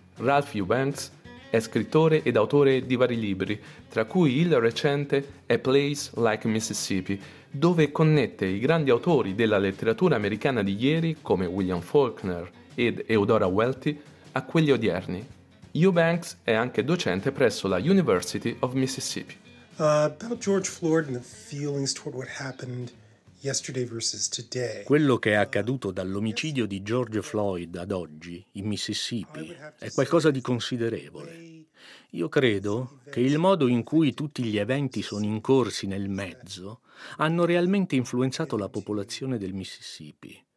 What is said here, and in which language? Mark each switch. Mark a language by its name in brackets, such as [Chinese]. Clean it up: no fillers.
[Italian] Ralph Eubanks è scrittore ed autore di vari libri, tra cui il recente A Place Like Mississippi, dove connette i grandi autori della letteratura americana di ieri, come William Faulkner ed Eudora Welty, a quelli odierni. Eubanks è anche docente presso la University of Mississippi. [English] About George Floyd and the feelings toward what happened yesterday versus today. [Italian] Quello che è accaduto dall'omicidio di George Floyd ad oggi in Mississippi è qualcosa di considerevole. Io credo che il modo in cui tutti gli eventi sono incorsi nel mezzo hanno realmente influenzato la popolazione del Mississippi.